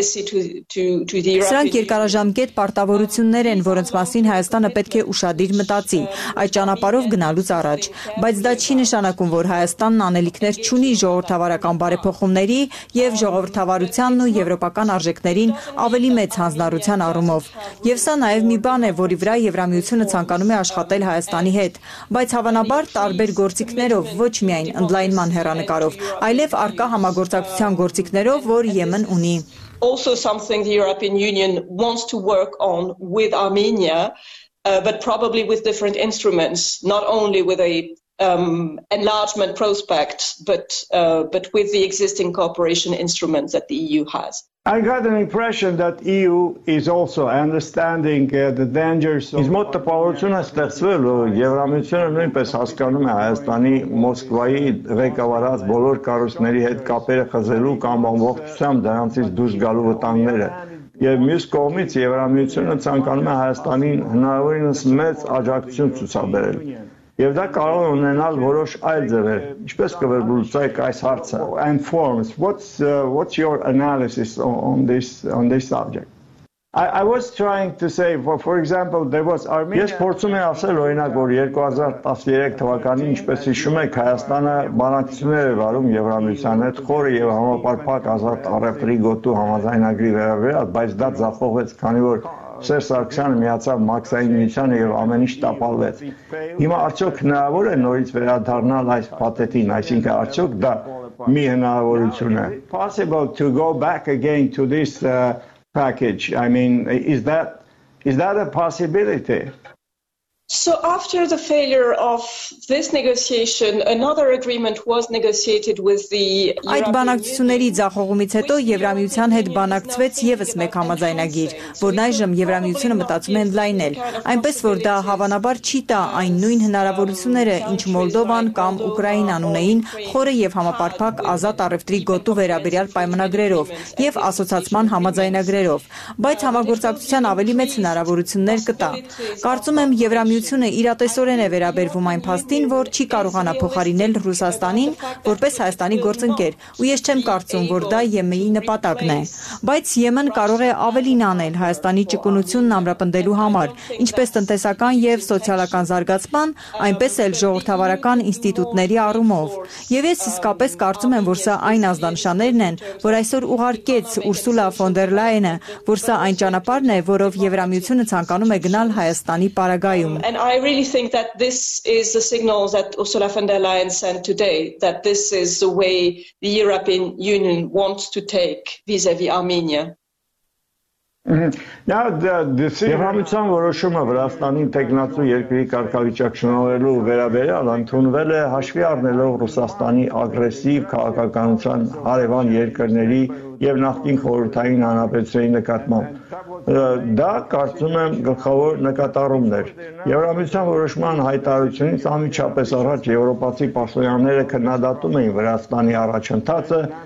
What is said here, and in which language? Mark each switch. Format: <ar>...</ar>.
<hy>Սրանք երկարաժամկետ պարտավորություններ են, որոնց մասին Հայաստանը պետք է ուշադիր մտածի այդ ճանապարհով գնալուց առաջ, բայց դա չի նշանակում, որ Հայաստանն անելիքներ չունի ժողովրդավարական բարեփոխումների և ժողովրդավարությանն ու եվրոպական արժեքներին ավելի մեծ հանձնարարության առումով։ Եվ սա նաև մի բան է, որի վրա Եվրամիությունը ցանկանում է աշխատել Հայաստանի հետ, բայց հավանաբար տարբեր գործիքներով, ոչ միայն ընդլայնման հեռանկարով, այլև արկա համագործակցության գործիքներով, որ Եմեն ունի.</hy> <en>Also something the European Union wants to work on with Armenia, but probably with different instruments, not only with a enlargement prospect, but with the existing cooperation instruments that the EU has. I got an impression that EU is also understanding the dangers of.</en> <hy>Իս մտապահությունը ստացվել է, Եվրամիությունը նույնպես հասկանում է Հայաստանի Մոսկվայի ղեկավարած բոլոր կարուսների հետ կապերը խզելու կամ ամբողջությամբ դրանից դուրս գալու վտանգները։ Եվ մյուս կողմից Եվրամիությունը ցանկանում է Հայաստանին հնարավորինս մեծ աջակցություն ցուցաբերել։ Եվ դա կարող է ունենալ որոշ այլ ձևեր։ Ինչպես կվերլուծեք այս հարցը?</hy> <en>And forms, what's your analysis on this subject? I was trying to say, for example, there was Armenia.</en> <hy>Ես փորձում եմ ասել, օրինակ, որ 2013 թվականին, ինչպես հիշում եք, Հայաստանը բանակցություններ էր վարում Եվրամիության հետ, խորը եւ համապարփակ ազատ առևտրի գոտու համաձայնագրի վերաբերյալ, բայց դա ձախողվեց, քանի որ Սերժ Սարգսյանը միացավ Մաքսային միությանը եւ ամեն ինչ տապալվեց։ Հիմա արդյոք հնարավոր է նորից վերադառնալ այս պատետին, այսինքն արդյոք դա մի հնարավորություն է։</hy> <en>Possible to go back again to this package. I mean, is that a possibility? So after the failure of this negotiation, another agreement was negotiated with the</en> <hy>Այդ բանակցությունների ձախողումից հետո Եվրամիության հետ բանակցվեց եւս մեկ համաձայնագիր, որն այժմ Եվրամիությունը մտածում է ընդլայնել, այնպես որ դա հավանաբար չի տա այն նույն հնարավորությունները, ինչ Մոլդովան կամ Ուկրաինան ունեին խորը եւ համապարփակ ազատ առևտրի գոտու վերաբերյալ պայմանագրերով եւ ասոցիացիոն համաձայնագրերով, բայց համագործակցության ավելի մեծ հնարավորություններ կտա։ Կարծում եմ, Եվրամիությունը իրատեսորեն է վերաբերվում այն փաստին, որ չի կարողանա փոխարինել Ռուսաստանին որպես Հայաստանի գործընկեր, ու ես չեմ կարծում, որ դա ԵՄ-ի նպատակն է, բայց ԵՄ-ն կարող է ավելին անել Հայաստանի ճկունությունն ամրապնդելու համար, ինչպես տնտեսական եւ սոցիալական զարգացման, այնպես էլ ժողովրդավարական ինստիտուտների առումով։ Եվ ես իսկապես կարծում եմ, որ սա այն ազդանշաններն են, որ այսօր ուղարկեց Ուրսուլա ֆոն դեր Լայենը, որ սա այն ճանապարհն է, որով Եվրամիությունը ցանկանում է գնալ Հայաստանի պարագայ։</hy> <en>And I really think that this is the signal that Ursula von der Leyen sent today, that this is the way the European Union wants to take vis-à-vis Armenia. Now the</en> <hy>Եվրամիության որոշումը Վրաստանի ինտեգրացու երկրի կարգավիճակ շնորհելու վերաբերյալ ընդունվել է հաշվի առնելով Ռուսաստանի ագրեսիվ քաղաքականության հարևան երկրների եւ նախկին խորհրդային հանրապետությունների նկատմամբ։ Դա կարծում եմ գլխավոր նկատառումն էր։ Եվրամիության որոշման հայտարարությունից անմիջապես առաջ եվրոպացի պաշտոնյաները քննադատում էին Վրաստանի առաջընթացը,</hy>